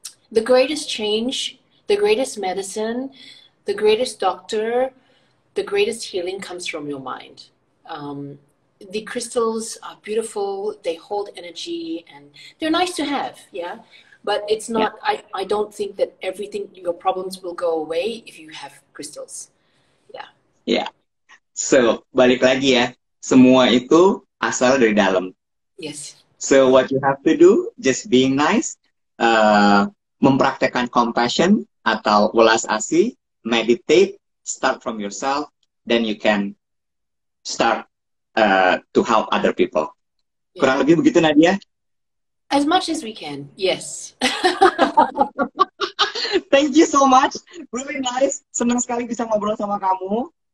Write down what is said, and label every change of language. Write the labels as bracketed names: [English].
[English] The greatest change, the greatest medicine, the greatest doctor, the greatest healing comes from your mind. The crystals are beautiful, they hold energy, and they're nice to have, yeah? But it's not, yeah. I don't think that everything, your problems will go away if you have crystals. Yeah. Yeah. [Indonesian] So, balik lagi ya, semua itu asal dari dalam. [English] Yes. So, what you have to do, just being nice, [Indonesian] mempraktekkan compassion atau welas asih, [English] meditate, start from yourself, then you can start to help other people. Yeah. [Indonesian] Kurang lebih begitu, Nadya? [English] As much as we can, yes. Thank you so much. Really nice. [Indonesian] Senang sekali bisa ngobrol sama kamu.